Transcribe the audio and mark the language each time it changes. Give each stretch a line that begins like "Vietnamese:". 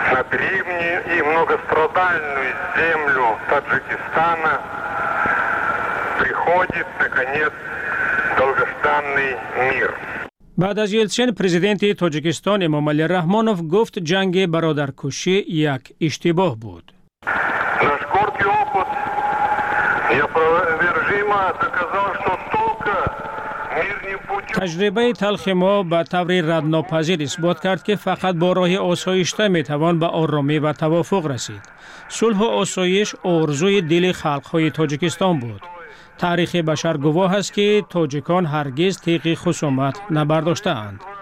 Russian: древнюю и многострадальную землю Таджикистана приходит, наконец, долгожданный мир.
Persian: بعد از یلسین، پرزیدنت تاجیکستان امام علی رحمانوف گفت جنگ برادرکشی یک اشتباه بود.
Russian: Наш горький опыт неопровержимо доказал, что только
Persian: تجربه تلخ ما به طور ردناپذیر اثبات کرد که فقط با راه آسایشته می توان به آرامی و توافق رسید. صلح و آسایش آرزوی دل خلق‌های تاجیکستان بود. تاریخ بشر گواه است که تاجیکان هرگز تیغ خصومت نبرداشته‌اند.